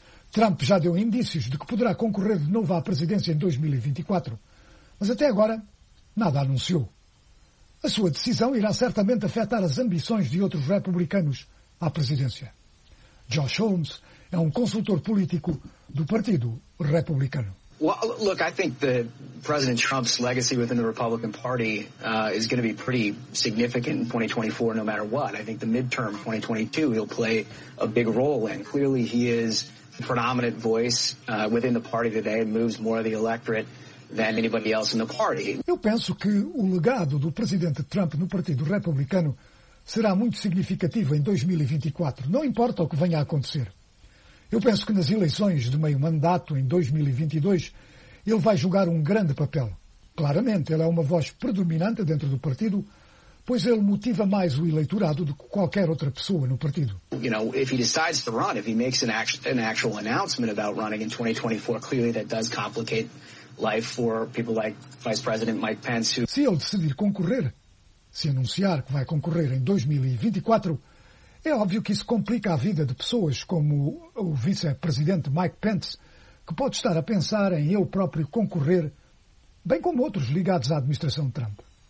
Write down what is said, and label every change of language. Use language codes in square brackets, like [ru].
[pt] Trump já deu indícios de que poderá concorrer de novo à presidência em 2024, mas até agora nada anunciou. A sua decisão irá certamente afetar as ambições de outros republicanos à presidência. Josh Holmes é um consultor político do Partido Republicano. [en] Well, look, I think that President Trump's legacy within the Republican Party is going to be pretty significant in 2024 no matter what. I think the midterm 2022 he'll play a big role in. Clearly he is the predominant voice within the party today and moves more of the electorate than anybody else in the party. [pt] Eu penso que o legado do presidente Trump no Partido Republicano será muito significativo em 2024, não importa o que venha a acontecer. Eu penso que nas eleições de meio mandato, em 2022, ele vai jogar um grande papel. Claramente, ele é uma voz predominante dentro do partido, pois ele motiva mais o eleitorado do que qualquer outra pessoa no partido. [en] You know, if he decides to run, if he makes an actual announcement about running in 2024, clearly that does complicate life for people like Vice President Mike Pence. Who... [pt] Se ele decidir concorrer, se anunciar que vai concorrer em 2024, é óbvio que isso complica a vida de pessoas como o vice-presidente Mike Pence, que pode estar a pensar em eu próprio concorrer, bem como outros ligados à administração de Trump.